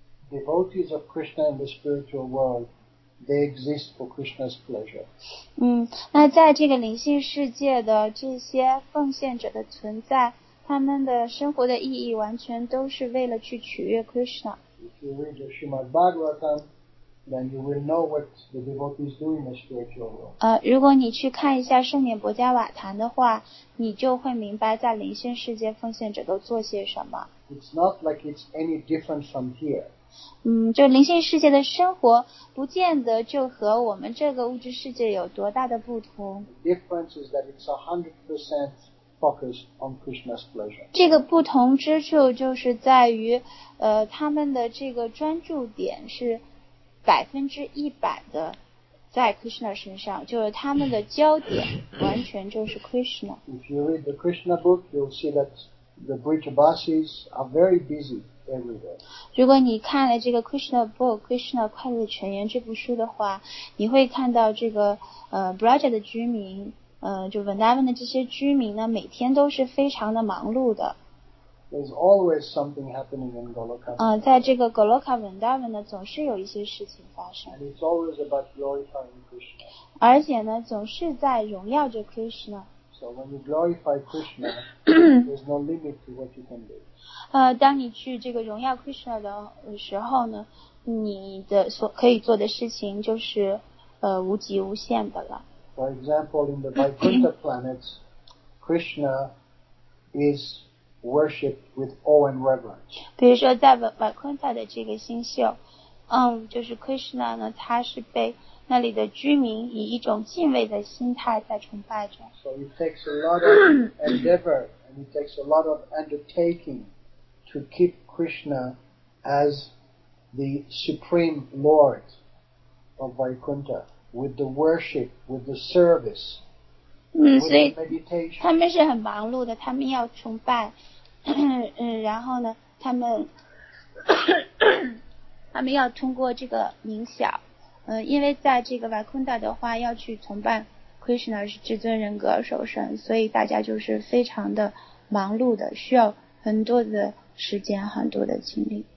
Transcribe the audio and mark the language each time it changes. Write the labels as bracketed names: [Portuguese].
[English] devotees of Krishna in the spiritual world, they exist for Krishna's pleasure. [Chinese] 那在这个灵性世界的这些奉献者的存在，他们的生活的意义完全都是为了去取悦 Krishna。 [English] If you read the Srimad Bhagavatam, then you will know what the devotees do in the spiritual world. [Chinese] 如果你去看一下圣典博迦瓦坛的话，你就会明白在灵性世界奉献者都做些什么。 [English] It's not like it's any different from here. [Chinese] 就灵性世界的生活不见得就和我们这个物质世界有多大的不同。 [English] The difference is that it's 100%focus on Krishna's pleasure. [Chinese] 这个不同之处就是在于他们的这个专注点是100%的在 Krishna 身上，就是他们的焦点完全就是 Krishna. [English] If you read the Krishna book, you'll see that the Brijabasis are very busy everywhere. [Chinese] 如果你看了这个 Krishna book, Krishna 快乐全员这部书的话，你会看到这个Braja 的居民就 Vrindavan 的这些居民呢，每天都是非常的忙碌的。 [English] There's always something happening in Goloka. [Chinese] 在这个 Goloka Vrindavan 呢，总是有一些事情发生。 [English] And it's always about glorifying Krishna. [Chinese] 而且呢，总是在荣耀着 Krishna. [English] So when you glorify Krishna, there's no limit to what you can do. [Chinese] 当你去这个荣耀 Krishna 的时候呢，你的所可以做的事情就是无极无限的了。 [English] For example, in the Vaikuntha planets, Krishna is worshipped with awe and reverence. [Chinese] 比如说在 Vaikuntha 的这个星宿，就是 Krishna 呢，他是被那里的居民以一种敬畏的心态在崇拜着。 [English] So it takes a lot of endeavor and it takes a lot of undertaking to keep Krishna as the supreme lord of Vaikuntha. With the worship, with the service, with the meditation. [Chinese] 他们是很忙碌的，他们要崇拜，然后呢，他们要通过这个冥想，因为在这个瓦昆达的话，要去崇拜 Krishna 是至尊人格首身，所以大家就是非常的忙碌的，需要很多的时间，很多的精力。